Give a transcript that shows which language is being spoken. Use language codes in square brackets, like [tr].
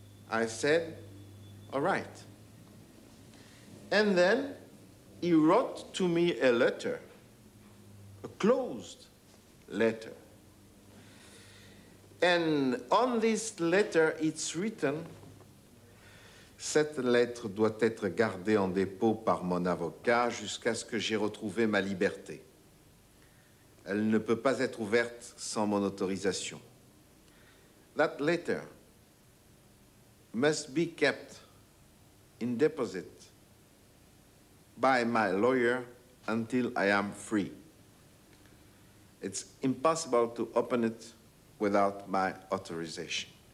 [en] I said, all right. And then he wrote to me a letter, a closed letter. And on this letter, it's written, [fr] Cette lettre doit être gardée en dépôt par mon avocat jusqu'à ce que j'ai retrouvé ma liberté. Elle ne peut pas être ouverte sans mon autorisation. [en] That letter must be kept in deposit by my lawyer until I am free. It's impossible to open it without my authorization.